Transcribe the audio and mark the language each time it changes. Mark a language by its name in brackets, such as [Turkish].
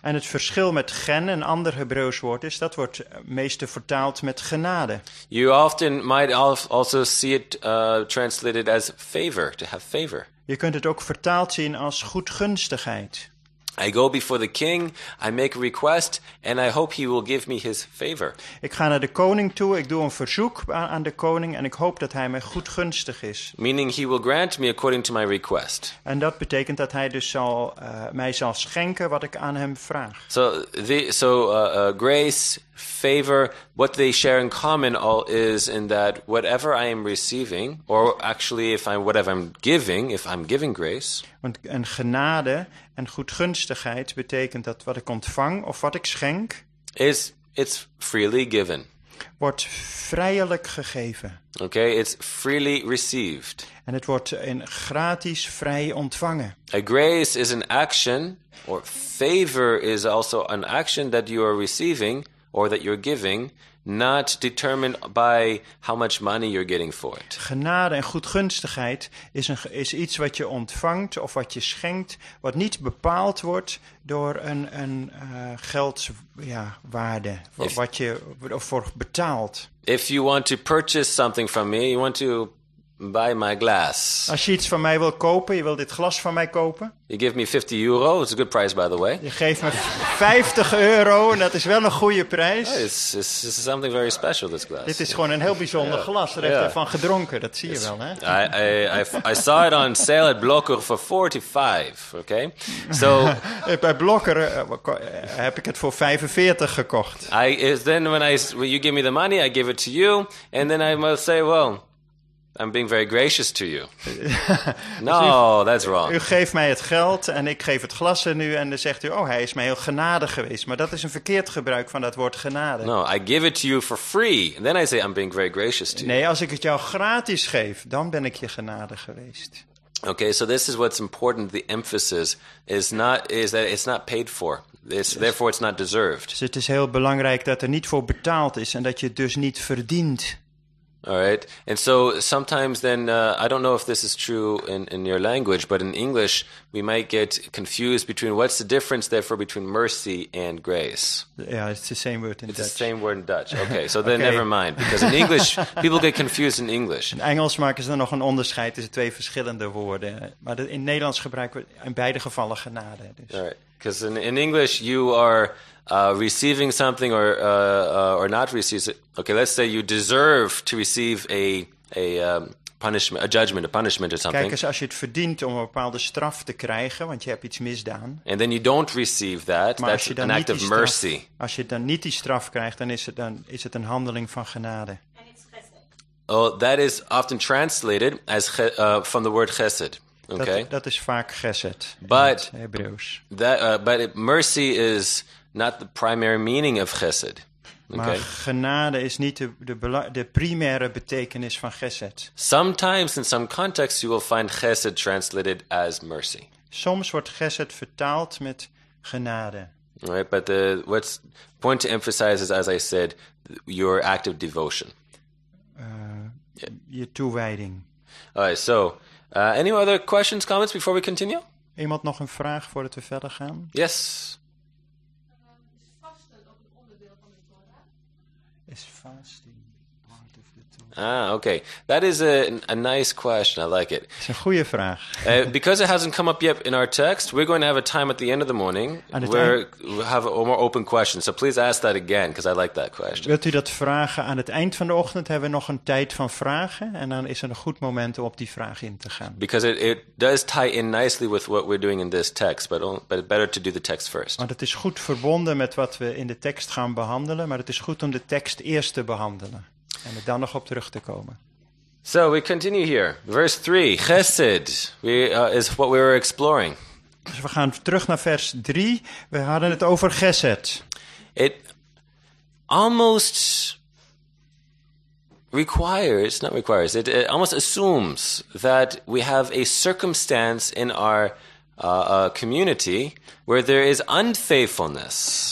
[Dutch] En het verschil met gen, een ander Hebreeuws woord, is dat wordt meestal vertaald met genade. [English] You often might also see it translated as favor, to have favor. [Dutch] Je kunt het ook vertaald zien als goedgunstigheid. [English] I go before the king, I make a request, and I hope he will give me his favor. [Dutch] Ik ga naar de koning toe, ik doe een verzoek aan de koning, en ik hoop dat hij mij goedgunstig is. [English] Meaning he will grant me according to my request. [Dutch] En dat betekent dat hij dus mij zal schenken wat ik aan hem vraag. [English] So grace, favor, what they share in common all is in that whatever I am receiving, or actually if I'm giving grace. [Dutch] Want een genade en goedgunstigheid betekent dat wat ik ontvang of wat ik schenk. [English] It's freely given. [Dutch] Wordt vrijelijk gegeven. [English] Okay, it's freely received. [Dutch] En het wordt in gratis vrij ontvangen. [English] A grace is an action, or favor is also an action that you are receiving. Or that you're giving, not determined by how much money you're getting for it. [Dutch] Genade en goedgunstigheid is iets wat je ontvangt of wat je schenkt, wat niet bepaald wordt door een geldwaarde, wat je ervoor betaalt. [English] If you want to purchase something from me, you want to buy my glass. [Dutch] Als je iets van mij wilt kopen, je wilt dit glas van mij kopen. [English] You give me 50 euro, it's a good price by the way. [Dutch] Je geeft me 50 euro en dat is wel een goede prijs. [English] Oh, it's something very special, this glass. [Dutch] Dit is gewoon een heel bijzonder glas, er heeft ervan gedronken, dat zie je wel, hè? [English] I saw it on sale at Blokker for 45, okay? [Dutch] So, bij Blokker heb ik het voor 45 gekocht. [English] When you give me the money, I give it to you, and then I must say, well, I'm being very gracious to you. No, that's wrong. [Dutch] U geeft mij het geld en ik geef het glas aan u en dan zegt u, oh, hij is mij heel genadig geweest. Maar dat is een verkeerd gebruik van dat woord genade. [English] No, I give it to you for free. And then I say, I'm being very gracious to you. [Dutch] Nee, als ik het jou gratis geef, dan ben ik je genadig geweest. [English] Okay, so this is what's important. The emphasis is that it's not paid for. Therefore, it's not deserved. [Dutch] Dus het is heel belangrijk dat er niet voor betaald is en dat je het dus niet verdient. [English] All right. And so sometimes then, I don't know if this is true in your language, but in English, we might get confused between what's the difference, therefore, between mercy and grace. Yeah, it's the same word in it's Dutch. It's the same word in Dutch. Okay, so then never mind. Because in English, people get confused in English. [Dutch] In Engels maken ze nog een onderscheid tussen twee verschillende woorden. Maar in Nederlands gebruiken we in beide gevallen genade. Dus. [English] All right. Because in English, you are receiving something or not receiving. Okay, let's say you deserve to receive a punishment or something. [Dutch] Kijk eens, als je het verdient om een bepaalde straf te krijgen, want je hebt iets misdaan. [English] And then you don't receive that. [Dutch] Maar [English] that's an act of mercy. [Dutch] Als je dan niet die straf krijgt, dan is het een handeling van genade. [English] Oh, that is often translated as from the word chesed. Okay. [Dutch] Dat is vaak gezet. [English] But [Dutch] in het Hebreeuws. [English] Mercy is not the primary meaning of chesed. Okay. [Dutch] Maar genade is niet de primaire betekenis van gezet. [English] Sometimes in some contexts you will find chesed translated as mercy. [Dutch] Soms wordt gezet vertaald met genade. [English] Right, but the what's point to emphasize is, as I said, your act of devotion. [Dutch] Je toewijding. [English] All right, so. Any other questions, comments before we continue? [Dutch] Iemand nog een vraag voordat we verder gaan? [English] Yes. Is fasting part of the Torah? Ah, okay. That is a nice question. I like it. [Dutch] Het is een goede vraag. [English] Because it hasn't come up yet in our text, we're going to have a time at the end of the morning where we have a more open question. So please ask that again, because I like that question. [Dutch] Wilt u dat vragen aan het eind van de ochtend? Hebben we nog een tijd van vragen? En dan is er een goed moment om op die vraag in te gaan. [English] Because it does tie in nicely with what we're doing in this text, but better to do the text first. [Dutch] Want het is goed verbonden met wat we in de tekst gaan behandelen, maar het is goed om de tekst eerst te behandelen. En er dan nog op terug te komen. [English] So we continue here. Verse 3. Chesed is what we were exploring. [Dutch] Dus we gaan terug naar vers 3. We hadden het over chesed. [English] It almost requires, not requires, it almost assumes that we have a circumstance in our a community where there is unfaithfulness.